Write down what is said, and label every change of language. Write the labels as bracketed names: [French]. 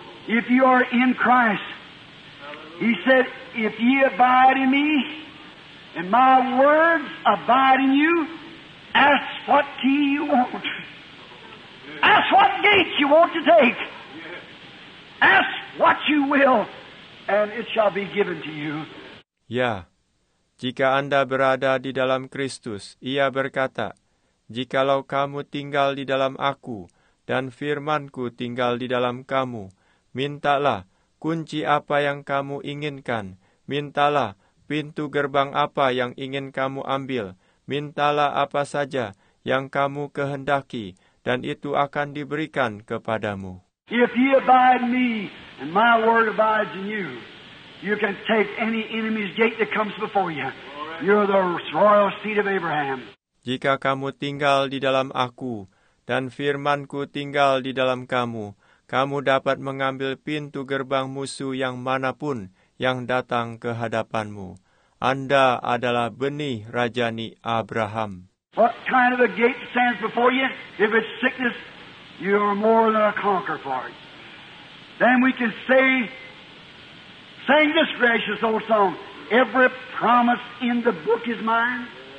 [English] If you are in Christ, he said, if ye abide in me, and my words abide in you, ask what key you want. Ask what gate you want to take. Ask what you will, and it shall be given to you. [Indonesian] Ya. Jika Anda berada di dalam Kristus, ia berkata, jikalau kamu tinggal di dalam aku, dan firman-Ku tinggal di dalam kamu, mintalah kunci apa yang kamu inginkan, mintalah pintu gerbang apa yang ingin kamu ambil, mintalah apa saja yang kamu kehendaki, dan itu akan diberikan kepadamu. [English] If you abide me, and my word abides in you, you can take any enemy's gate that comes before you. You're the royal seed of Abraham. [Indonesian] Jika kamu tinggal di dalam aku, dan firman-Ku tinggal di dalam kamu, kamu dapat mengambil pintu gerbang musuh yang manapun yang datang ke hadapanmu. Anda adalah benih rajani Abraham. [English] What kind of a gate stands before you? If it's sickness, you are more than a conqueror for it. Then we can say, sang this gracious old song. Every promise in the book is mine.